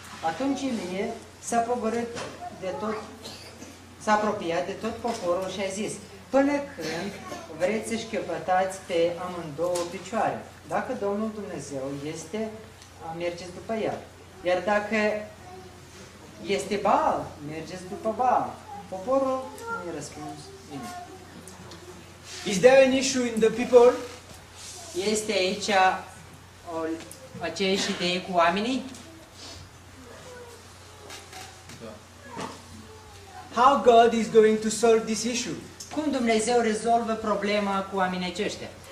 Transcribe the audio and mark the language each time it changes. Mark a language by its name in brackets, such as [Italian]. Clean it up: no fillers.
[Romanian] Atunci Ilie s-a pogorât de tot, s-a apropiat de tot poporul și a zis: până când vreți să-și căpătați pe amândouă picioare? Dacă Domnul Dumnezeu este, mergeți după El. Iar dacă este Baal, mergeți după Baal. Poporul nu i-a răspuns nimic. [English] Is there an issue in the people? [Romanian] Este aici o aceeași idee cu oamenii? [English] How God is going to solve this issue? [Romanian] Cum Dumnezeu rezolvă problema cu oamenii aceștia?